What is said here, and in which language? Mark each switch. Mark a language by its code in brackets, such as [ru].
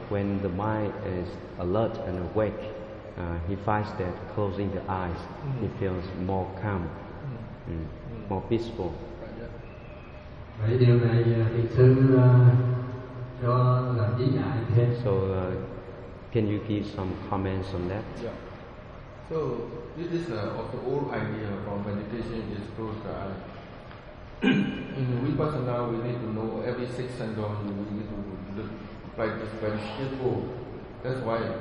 [en] when the mind is alert and awake, he finds that closing the eyes, he feels more calm, more peaceful. [vi] Vậy điều này thì sư cho là chỉ dạy thêm. [en] So can you give some comments on that? Yeah. So this is of the old idea from meditation is close the eye. In Vipassana we need to know every six sandals we need to look like this very skillful. That's why.